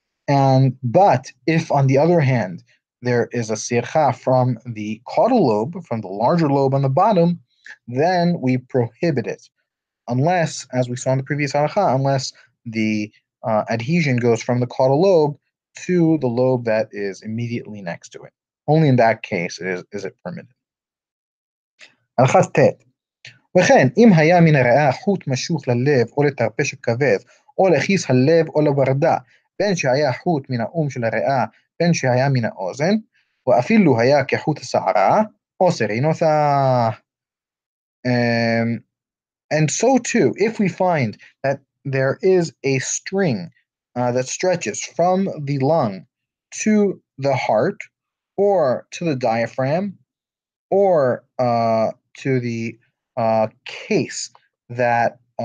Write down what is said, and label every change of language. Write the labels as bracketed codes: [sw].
[en] And but if on the other hand there is a sircha from the caudal lobe, from the larger lobe on the bottom, then we prohibit it unless, as we saw in the previous halakha, unless the adhesion goes from the caudal lobe to the lobe that is immediately next to it. Only in that case is it permitted. [he] Halakha tet. וכן, אם היה מן הריאה חוט משוך ללב או לתרפש הכבד או לכיס הלב או לברדה, בין שהיה חוט מן האום של הריאה, בין שהיה מן האוזן, ואפילו היה כחוט השערה, או סרינות ה... [en] And so too, if we find that there is a string that stretches from the lung to the heart, or to the diaphragm, or to the case that